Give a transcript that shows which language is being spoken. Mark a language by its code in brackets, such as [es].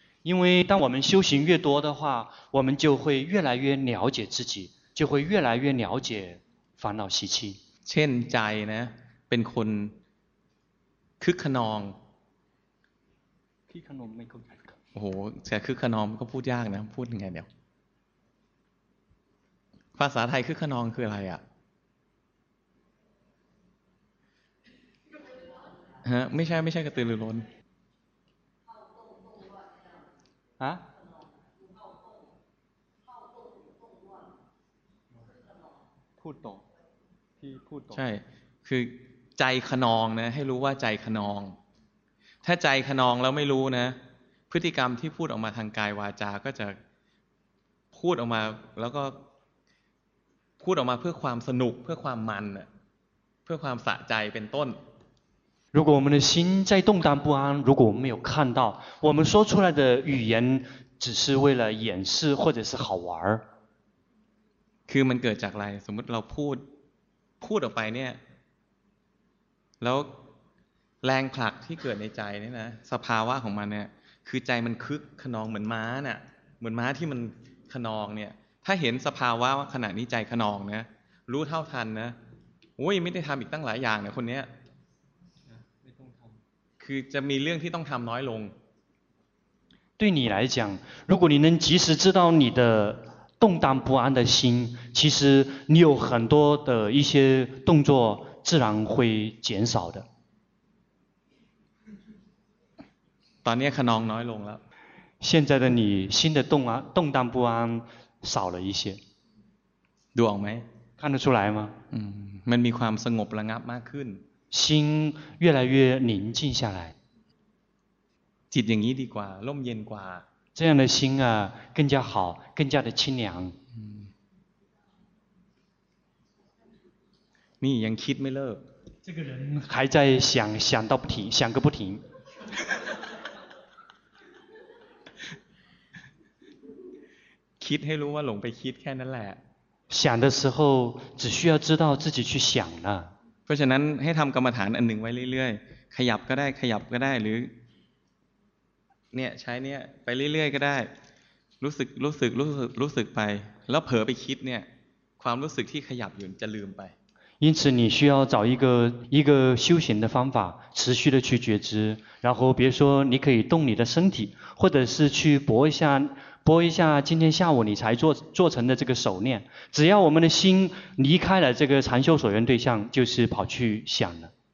[zh] 因为当我们修行越多的话我们就会越来越了解自己就会越来越了解烦恼习气 [th] เช่นใจนะเป็นคนคึกขนอง คึกขนองไม่เข้าใจ โอ้โหจะคึกขนองก็พูดยากนะพูดยังไงเดี๋ยวภาษาไทยคึกขนองคืออะไรอ่ะฮะไม่ใช่กระตือรือร้น ฮะพูดตรงที่พูดตรง ใช่คือใจขนองนะให้รู้ว่าใจขนองถ้าใจขนองแล้วไม่รู้นะพฤติกรรมที่พูดออกมาทางกายวาจาก็จะพูดออกมาแล้วก็พูดออกมาเพื่อความสนุกเพื่อความมันเพื่อความสะใจเป็นต้น [zh] 如果我们的心在动荡不安如果我们没有看到我们说出来的语言只是为了掩饰或者是好玩 [th] คือมันเกิดจากอะไรสมมติเราพูดออกไปเนี่ยแล้วแรงผลักที่เกิดในใจนี่นะสภาวะของมันเนี่ยคือใจมันคึกขนองเหมือนม้าน่ะเหมือนม้าที่มันขนองเนี่ยถ้าเห็นสภาวะว่าขณะนี้ใจขนองนะรู้เท่าทันนะโอ้ยไม่ได้ทำอีกตั้งหลายอย่างนะคนนี้คือจะมีเรื่องที่ต้องทำน้อยลง [zh] 对你来讲如果你能及时知道你的动荡不安的心其实你有很多的一些动作自然会减少的 [th] ตอนนี้ขนองน้อยลงแล้ว [zh] 现在的你心的动荡不安少了一些 [th] ดูออกไหม [zh] 看得出来吗 [th] มันมีความสงบระงับมากขึ้น [zh] 心越来越宁静下来 [th] จิตอย่างนี้ดีกว่าร่มเย็นกว่า [zh] 这样的心啊更加好更加的清凉 [th] นี่ยังคิดไม่เลิก [zh] 这个人还在想想到不停想个不停 [th] คิดให้รู้ว่าหลงไปคิดแค่นั้นแหละ [zh] 想的时候只需要知道自己去想了 [th] เพราะฉะนั้นให้ทำกรรมฐานอันหนึ่งไว้เรื่อยๆขยับก็ได้ขยับก็ได้หรือเนี่ยใช้เนี่ยไปเรื่อยๆก็ได้รู้สึกไปแล้วเผลอไปคิดเนี่ยความรู้สึกที่ขยับอยู่จะลืมไป [zh] 因此你需要找一个修行的方法持续的去觉知然后比如说你可以动你的身体或者是去拨一下今天下午你才做成的这个手念只要我们的心离开了这个禅修所缘对象就是跑去想了